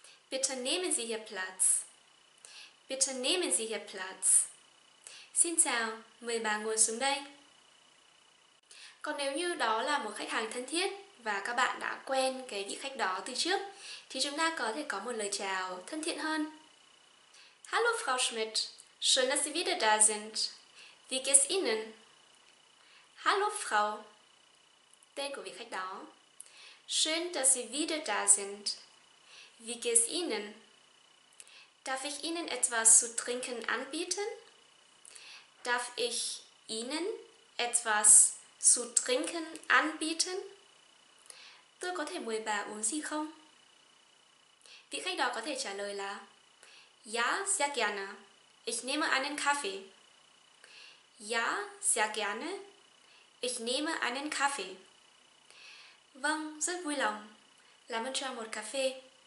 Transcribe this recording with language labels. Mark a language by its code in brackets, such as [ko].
[de] Bitte nehmen Sie hier Platz. Bitte nehmen Sie hier Platz. [vi] Xin chào, mời bà ngồi xuống đây. Còn nếu như đó là một khách hàng thân thiết và các bạn đã quen cái vị khách đó từ trước, thì chúng ta có thể có một lời chào thân thiện hơn. [de] Hallo Frau Schmidt. Schön, dass Sie wieder da sind. Wie geht's Ihnen? Hallo Frau. [vi] Tên của vị khách đó. [de] Schön, dass Sie wieder da sind. Wie geht's Ihnen? Darf ich Ihnen etwas zu trinken anbieten? Darf ich Ihnen etwas zu trinken anbieten? [vi] Tôi có thể mời bà uống gì không? Vị khách đó có thể trả lời là [de] Ja, sehr gerne. Ich nehme einen Kaffee. Ja, sehr gerne. Ich nehme einen Kaffee. [vi] Vâng, rất vui lòng. Làm ơn cho một cà phê.